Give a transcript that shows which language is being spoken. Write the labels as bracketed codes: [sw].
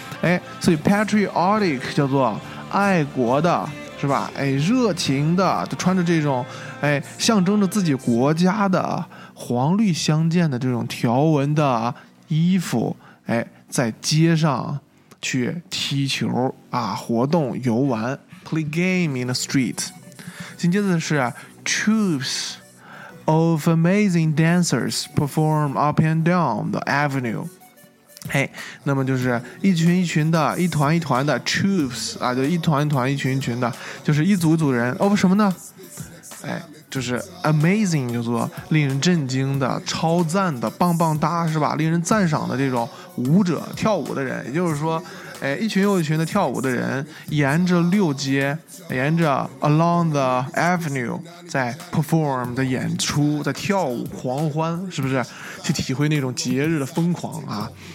[zh] 哎，所以 patriotic 叫做爱国的是吧，哎，热情的，就穿着这种，哎，象征着自己国家的黄绿相间的这种条纹的衣服，哎，在街上去踢球啊，活动游玩 ， [en] play game in the street。 [zh] 紧接着是 [en] troops of amazing dancers perform up and down the avenue。 [zh] 哎，那么就是一群一群的，一团一团的 troops 啊，就一团一团，一群一群的，就是一组一组人。哦，什么呢？哎。就是 amazing 叫做令人震惊的超赞的棒棒哒是吧，令人赞赏的这种舞者跳舞的人，也就是说，哎，一群又一群的跳舞的人沿着六街，沿着 [en] along the avenue [zh] 在 perform 的演出，在跳舞狂欢，是不是去体会那种节日的疯狂啊。